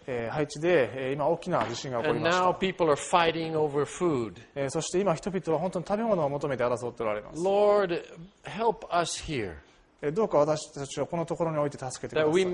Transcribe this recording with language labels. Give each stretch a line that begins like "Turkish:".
Japanese: ハイチで今大きな地震が起こりました。
English: And now people are fighting over food.
Japanese: そして今人々は本当に食べ物を求めて争っておられます。
English: Lord, help us here.
Japanese: どうか私たちをこのところにおいて助けてください。